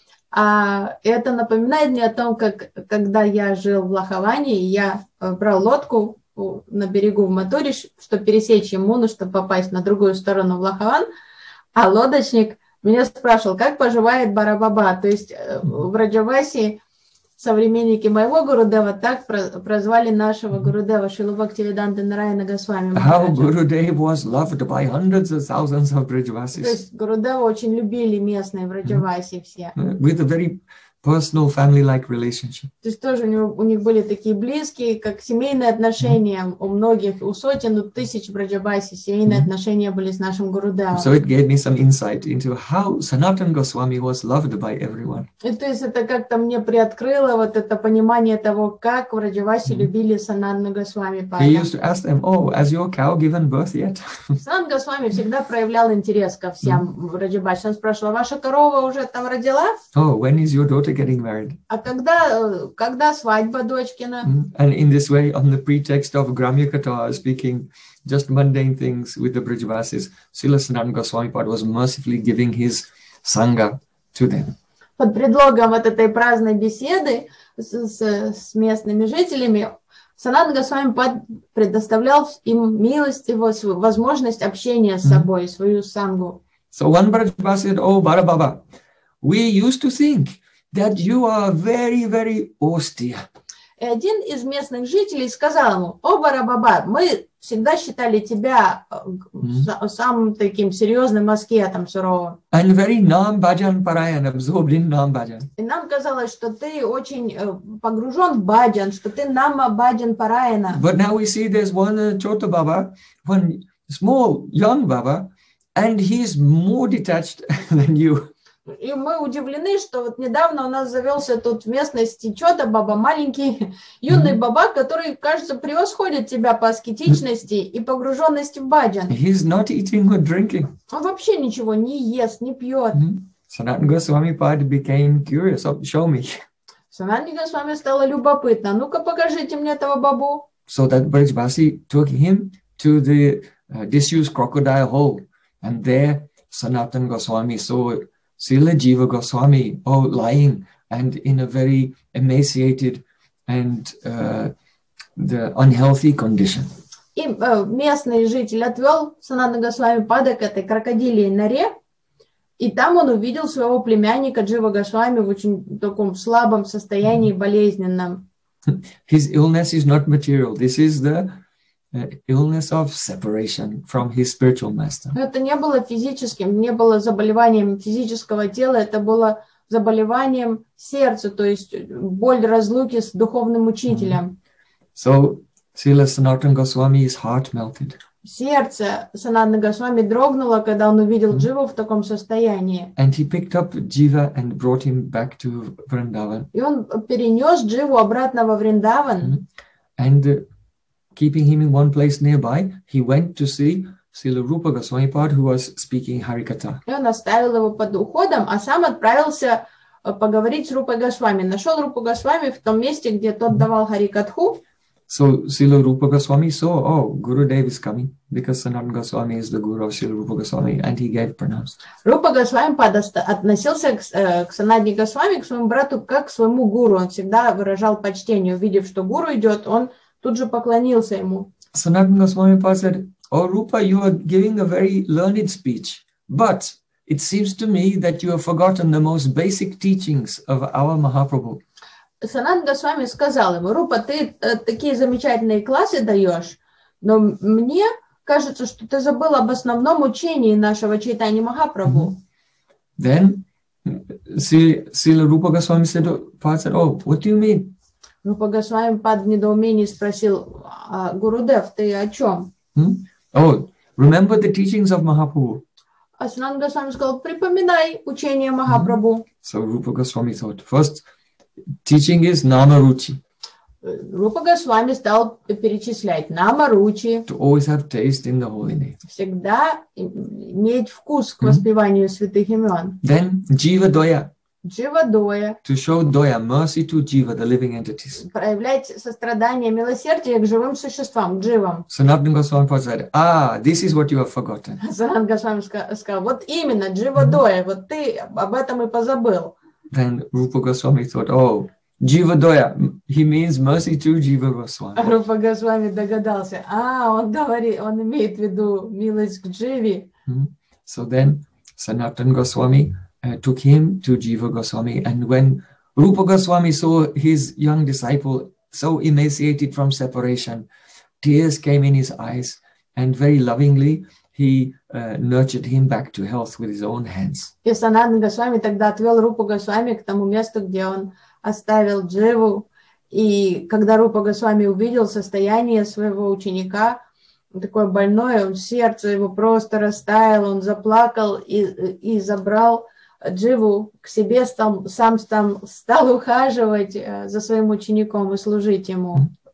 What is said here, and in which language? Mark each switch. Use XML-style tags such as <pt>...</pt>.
<ru>А это напоминает мне о том, как когда я жил в Лохаване, я брал лодку на берегу в Матуре, чтобы пересечь Емуну, чтобы попасть на другую сторону в Лохаван, а лодочник меня спрашивал, как поживает Барабаба. То есть в Раджаваси современники моего Гурудева так прозвали нашего Гурудева Шрилу Бхактивиданты Нараяна Госвами.</ru> <en>How Gurudev was loved by hundreds of thousands of Vrajavasis.</en> <ru>То есть Гурудева очень любили местные Враджаваси все.</ru> <en>With a very personal family-like relationship.</en> <ru>То есть тоже у них были такие близкие, как семейные отношения у многих, у сотен, у тысяч Враджаваси семейные отношения были с нашим Гурудевом.</ru> <en>So it gave me some insight into how Sanatana Goswami was loved by everyone.</en> <ru>И то есть это как-то мне приоткрыло вот это понимание того, как Враджаваси любили Санатана Госвами.</ru> <en>He used to ask them, oh, has your cow given birth yet?</en> <ru>Санатана Госвами всегда проявлял интерес ко всем Враджаваси. Он спрашивал, ваша корова уже там родила?</ru> <en>Oh, when is your daughter getting married?</en> <ru>А когда свадьба дочкина?</ru> <en>And in this way, on the pretext of Gramya Katha, speaking just mundane things with the Brijavasis, Srila Sanatana Goswami Pada was mercifully giving his sangha to them.</en> <ru>Под предлогом вот этой праздной беседы с местными жителями, Санатана Госвами Пада предоставлял им милость, его возможность общения с собой, свою сангу.</ru> <en>So one Brijavasi said, oh, Barababa, we used to think that you are very, very austere.</en> <ru>И один из местных жителей сказал ему, о, Барабаба, мы всегда считали тебя самым таким серьезным аскетом, суровым.</ru> <en>And very non-bhajan parayan, absorbed in non-bhajan.</en> <ru>И нам казалось, что ты очень погружен в бхаджан, что ты нама-бхаджан параяна.</ru> <en>But now we see there's one chota baba, one small, young baba, and he's more detached than you.</en> <ru>И мы удивлены, что вот недавно у нас завелся тут в местности чота баба, маленький юный баба, который, кажется, превосходит тебя по аскетичности и погруженности в бхаджан.</ru> <en>He's not eating or drinking.</en> <ru>Он вообще ничего не ест, не пьет.</ru> <en>Sanatana Goswami Pada became curious. Show me.</en> <ru>Sanatana Goswami стало любопытно. Ну-ка, покажите мне этого бабу.</ru> <en>So that Brajbasi took him to the disused crocodile hole. And there Sanatana Goswami saw Srila Jiva Goswami, oh, lying and in a very emaciated and the unhealthy condition.</en> <ru>И местный житель отвел Сананда Госвами под этой крокодильей норе, и там он увидел своего племянника Джива Госвами в очень таком слабом состоянии, болезненном.</ru> <en>His illness is not material. This is the illness of separation from his spiritual master.</en> <ru>Это не было физическим, не было заболеванием физического тела, это было заболеванием сердца, то есть боль разлуки с духовным учителем.</ru> <en>So, Srila Sanatana Goswami, his heart melted.</en> <ru>Сердце Сананды Госвами дрогнуло, когда он увидел Дживу в таком состоянии.</ru> <en>And he picked up Jiva and brought him back to Vrindavan.</en> <ru>И он перенес Дживу обратно во Вриндаван.</ru> <en>And keeping him in one place nearby, he went to see Srila Rupa Goswamipad, who was speaking Harikata.</en> <ru>И он оставил его под уходом, а сам отправился поговорить с Рупой Госвами. Нашел Рупу Госвами в том месте, где тот давал Харикатху.</ru> <en>So Srila Rupa Goswami saw, oh, Gurudev is coming, because Sanatana Goswami is the guru of Srila Rupa Goswami, and he gave pranams.</en> <ru>Rupa Goswami относился к Sanatana Goswami, к своему брату, как к своему гуру. Он всегда выражал почтение. Увидев, что гуру идет, он тут же поклонился ему.</ru> <en>Sanatana Goswami said, oh, Rupa, you are giving a very learned speech, but it seems to me that you have forgotten the most basic teachings of our Mahaprabhu.</en> <ru>Sanatana Goswami сказал ему, Рупа, ты такие замечательные классы даешь, но мне кажется, что ты забыл об основном учении нашего Чайтани Махапрабху.</ru> <en>Then Srila Rupa Goswami said, Father, oh, what do you mean?</en> <ru>Рупа Госвами под недоумение спросил, Гурудев, ты о чем?</ru> <en>Oh, remember the teachings of Mahaprabhu.</en> <ru>А Sanatana Goswami сказал, припоминай учение Махапрабху.</ru> <en>So Rupa Goswami thought, first, teaching is Namaruchi.</en> <ru>Rupa Goswami стал перечислять Namaruchi.</ru> <en>To always have taste in the holy name.</en> <ru>Всегда иметь вкус к воспеванию святых имен.</ru> <en>Then Jiva Doya.</en> <ru>Jiva Doya.</ru> <en>To show Doya, mercy to Jiva, the living entities.</en> <ru>Проявлять сострадание, милосердие к живым существам, к Дживам.</ru> <en>Sanatana Goswami said, ah, this is what you have forgotten.</en> <ru>Sanatana Goswami сказал, вот именно, Jiva Doya, вот ты об этом и позабыл.</ru> <en>Then Rupa Goswami thought, oh, Jiva Doya, he means mercy to Jiva Goswami.</en> <ru>Rupa Goswami догадался, он имеет в виду милость к Дживе.</ru> <en>So then Sanatana Goswami took him to Jiva Goswami. And when Rupa Goswami saw his young disciple so emaciated from separation, tears came in his eyes, and very lovingly, he nurtured him back to health with his own hands.</en> <ru>И Сананда Госвами тогда отвел Рупу Госвами к тому месту, где он оставил Дживу. И когда Рупа Госвами увидел состояние своего ученика, такое больное, сердце его просто растаяло, он заплакал и забрал Дживу к себе, стал ухаживать за своим учеником и служить ему.</ru>